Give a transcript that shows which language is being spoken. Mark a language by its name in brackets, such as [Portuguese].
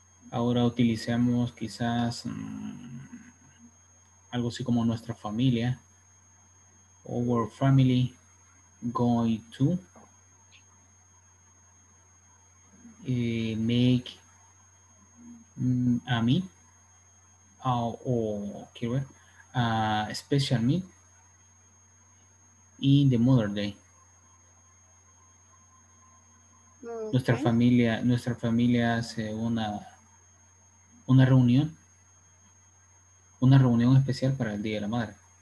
[Spanish] Ahora utilicemos quizás algo así como nuestra familia. [English] Our family going to make a meal a special meal in the Mother's Day. Okay. [Spanish] Nuestra familia hace una reunión especial para el Día de la Madre.